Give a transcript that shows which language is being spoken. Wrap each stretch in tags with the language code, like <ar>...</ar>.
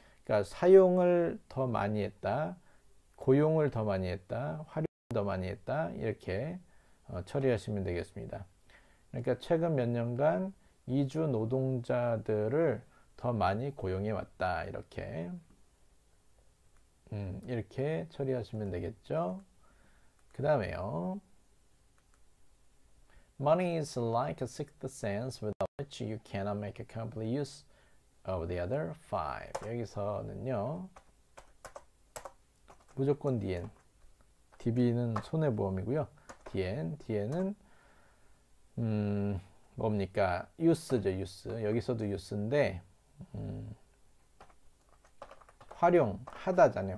<ko>그러니까 사용을 더 많이 했다. 고용을 더 많이 했다, 활용을 더 많이 했다, 이렇게 처리하시면 되겠습니다. 그러니까 최근 몇 년간 이주 노동자들을 더 많이 고용해 왔다, 이렇게 이렇게 처리하시면 되겠죠. 그 다음에요.</ko> <en>Money is like a sixth sense without which you cannot make a complete use of the other five.</en> <ko>여기서는요. 무조건 DN. DB는 손해보험이고요. DN. DN은 뭡니까? use죠. use. 여기서도 use인데 활용하다잖아요.</ko>